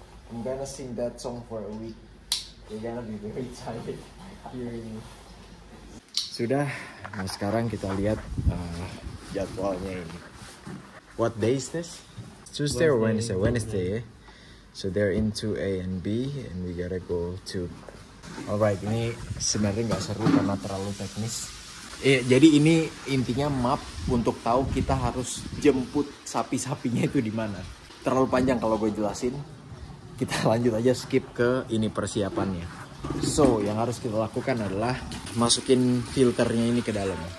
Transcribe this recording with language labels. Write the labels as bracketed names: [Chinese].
[English] I'm gonna sing that song for a week. You're gonna be very tired hearing me. [Indonesian] Sudah, nah sekarang kita lihat jadwalnya ini. [English] What day is this? Tuesday or Wednesday? Wednesday, yeah. So they're into A and B and we gotta go to... [Indonesian] Alright, ini sebenarnya gak seru karena terlalu teknis. Jadi ini intinya map untuk tahu kita harus jemput sapi-sapinya itu di mana. Terlalu panjang kalau gue jelasin. Kita lanjut aja, skip ke ini persiapannya. So, yang harus kita lakukan adalah masukin filternya ini ke dalam.